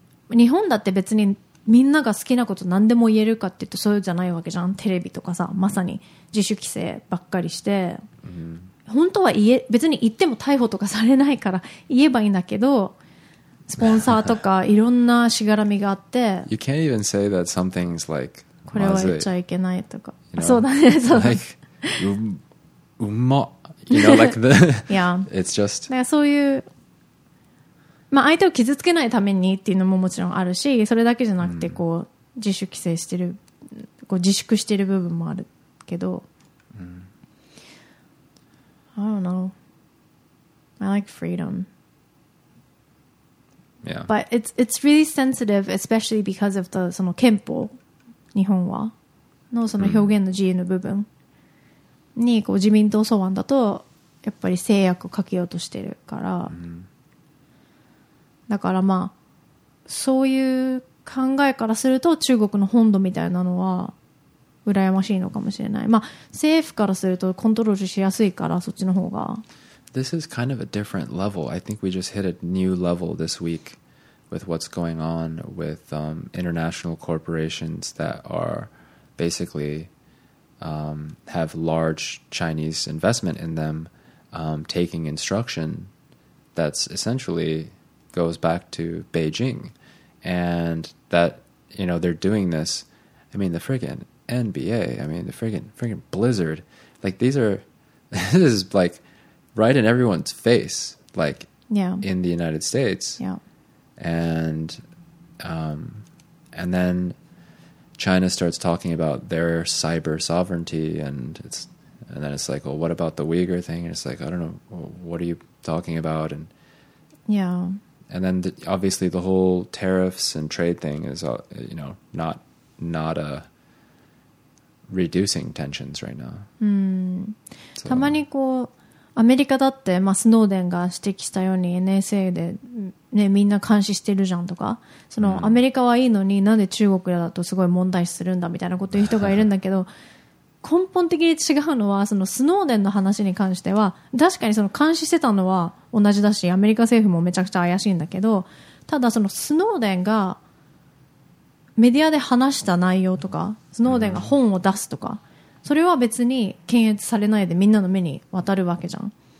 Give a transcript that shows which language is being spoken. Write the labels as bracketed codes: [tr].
[ja] 日本だって別にみんなが好きなこと何でも言えるかって言うとそうじゃないわけじゃん。テレビとかさ、まさに自主規制ばっかりして、本当は言え別に言っても逮捕とかされないから言えばいいんだけど、スポンサーとかいろんなしがらみがあって [en] You can't even say that some things like [ja] これは言っちゃいけないとか、そうだね、そうだね、うま、 [en] you know, like the yeah, it's just [ja] だからそういう、まあ相手を傷つけないためにっていうのももちろんあるし、それだけじゃなくてこう自主規制してる、こう自粛してる部分もあるけど、 [en] I don't know. I like freedom. Yeah. But it's really sensitive, especially because of the [ja] その憲法、日本はのその表現の自由の部分に、こう自民党草案だとやっぱり制約をかけようとしてるから、だからまあそういう考えからすると中国の本土みたいなのは羨ましいのかもしれない。まあ政府からするとコントロールしやすいからそっちの方が。 [en] This is kind of a different level. I think we just hit a new level this week with what's going on with international corporations that are basically have large Chinese investment in them taking instruction that's essentially goes back to Beijing, and that you know they're doing this. I mean the friggin'NBA, I mean, the friggin' Blizzard. Like, these are... This is, like, right in everyone's face, like, in the United States. Yeah. And then China starts talking about their cyber sovereignty, and then it's like, well, what about the Uyghur thing? And it's like, I don't know, what are you talking about? And, yeah. And then, obviously, the whole tariffs and trade thing is, you know, not a... reducing tensions right now. [ja] たまにこうアメリカだって、まあ、スノーデンが指摘したように NSA で、ね、みんな監視してるじゃんとか、そのアメリカはいいのになんで中国だとすごい問題視するんだみたいなこと言う人がいるんだけど根本的に違うのはそのスノーデンの話に関しては確かにその監視してたのは同じだしアメリカ政府もめちゃくちゃ怪しいんだけど、ただそのスノーデンがメディアで話した内容とかスノーデンが本を出すとか、それは別に検閲されないでみんなの目に渡るわけじゃん。